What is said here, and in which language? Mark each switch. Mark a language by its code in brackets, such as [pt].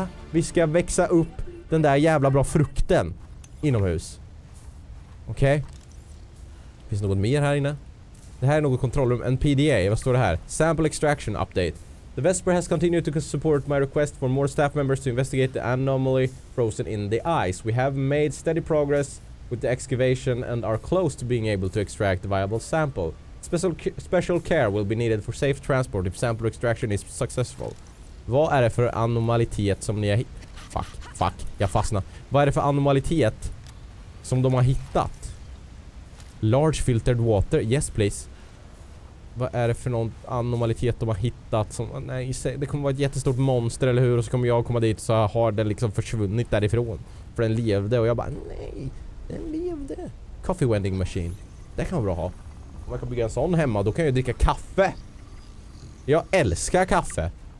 [sv] Vi ska växa upp den där jävla bra frukten inomhus. Okej. Okay. Finns det något mer här inne? Det här är något kontrollrum. En PDA. Vad står det här? [en] Sample extraction update. The Vesper has continued to support my request for more staff members to investigate the anomaly frozen in the ice. We have made steady progress with the excavation and are close to being able to extract the viable sample. Special care will be needed for safe transport if sample extraction is successful. [sv] Vad är det för anomalitet som ni har... Fuck, jag fastnar. Vad är det för anomalitet som de har hittat? [en] Large filtered water, yes please. [sv] Vad är det för någon anomalitet de har hittat som... Nej, det kommer vara ett jättestort monster, eller hur? Och så kommer jag komma dit, så har den liksom försvunnit därifrån. För den levde och jag bara, nej. Den levde. [en] Coffee vending machine. [sv] Det kan vara bra att ha. Om jag kan bygga en sån hemma, då kan jag dricka kaffe. Jag älskar kaffe.